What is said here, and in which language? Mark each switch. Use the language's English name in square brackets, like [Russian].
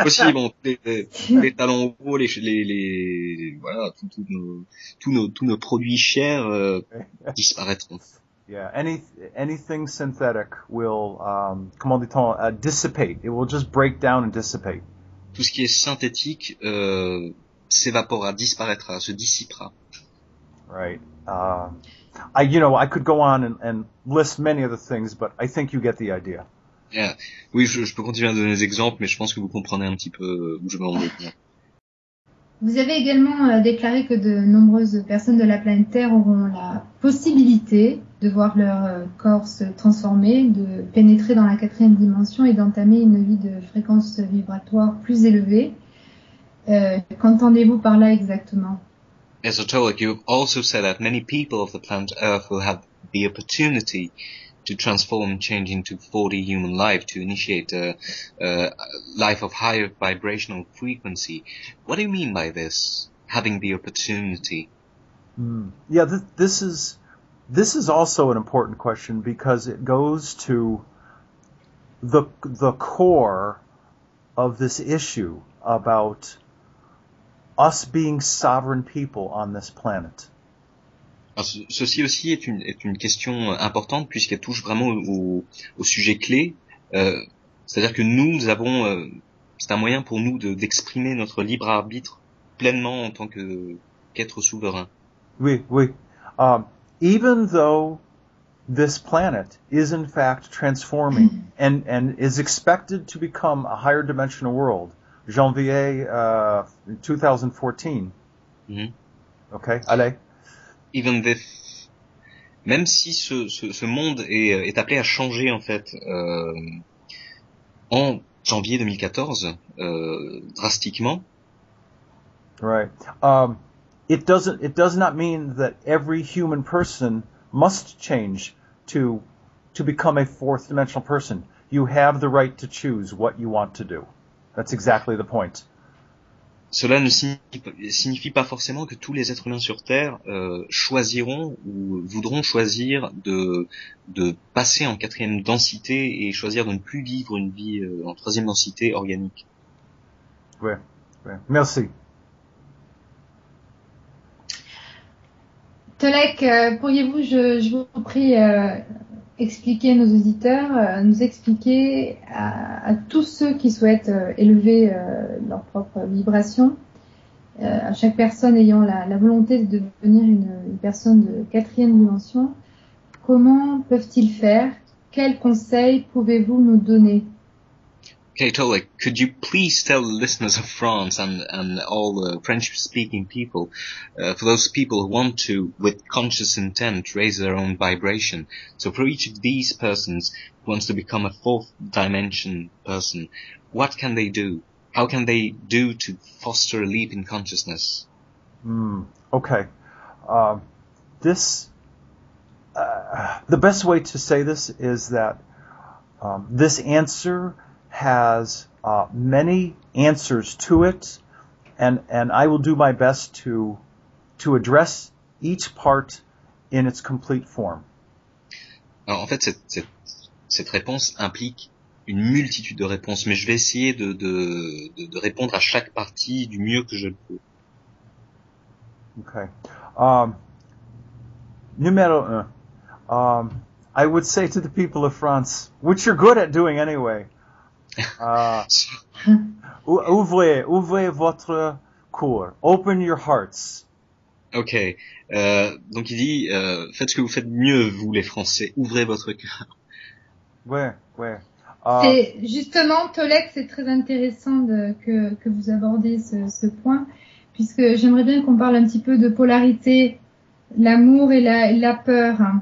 [French] Aussi, bon, les talons hauts, les voilà, tous nos produits chers disparaîtront. [English] Yeah, anything synthetic will, [French] comment dit-on, [English] dissipate. It will just break down and dissipate. [French] Tout ce qui est synthétique s'évaporera, disparaîtra, se dissipera. [English] Right. I could go on and list many other things, but I think you get the idea. Yeah. [French] Oui, je peux continuer à donner des exemples, mais je pense que vous comprenez un petit peu où je m'en vais. Vous avez également déclaré que de nombreuses personnes de la planète Terre auront la possibilité de voir leur corps se transformer, de pénétrer dans la quatrième dimension et d'entamer une vie de fréquence vibratoire plus élevée. Qu'entendez-vous par là exactement? [English] Yes, so Tolik, you've also said that many people of the planet Earth will have the opportunity to transform, change into 4D human life, to initiate a life of higher vibrational frequency. What do you mean by this, having the opportunity? Yeah, this is also an important question because it goes to the core of this issue about us being sovereign people on this planet. [French] Ceci aussi est une question importante puisqu'elle touche vraiment au sujet clé. C'est-à-dire que nous avons, c'est un moyen pour nous d'exprimer notre libre arbitre pleinement en tant qu'être souverain. Oui, oui. [English] Even though this planet is in fact transforming and is expected to become a higher dimensional world, [French] janvier 2014. Mm-hmm. Ok, allez. Même si ce monde est appelé à changer en fait en janvier 2014 drastiquement. [English] Right. It does not mean that every human person must change to become a fourth dimensional person. You have the right to choose what you want to do. That's exactly the point. [French] Cela ne signifie pas forcément que tous les êtres humains sur Terre choisiront ou voudront choisir de passer en quatrième densité et choisir de ne plus vivre une vie en troisième densité organique. Ouais. Merci. Tolek, pourriez-vous, je vous prie, expliquer à nos auditeurs, nous expliquer à tous ceux qui souhaitent élever leur propre vibration, à chaque personne ayant la volonté de devenir une personne de quatrième dimension, comment peuvent-ils faire? Quels conseils pouvez-vous nous donner? [English] Okay, Tolik, could you please tell the listeners of France and all the French-speaking people, for those people who want to, with conscious intent, raise their own vibration. So for each of these persons who wants to become a fourth dimension person, what can they do? How can they do to foster a leap in consciousness? Okay. The best way to say this is that this answer has many answers to it, and I will do my best to address each part in its complete form. [French] Alors, en fait, cette réponse implique une multitude de réponses, mais je vais essayer de répondre à chaque partie du mieux que je le peux. Okay. Numéro un. [English] I would say to the people of France, which you're good at doing anyway, [French] ouvrez votre cœur. [English] Open your hearts. [French] Ok, donc il dit, faites ce que vous faites mieux, vous les Français, ouvrez votre cœur. Ouais. C'est justement, Tolek, c'est très intéressant que vous abordiez ce point, puisque j'aimerais bien qu'on parle un petit peu de polarité, l'amour et la peur.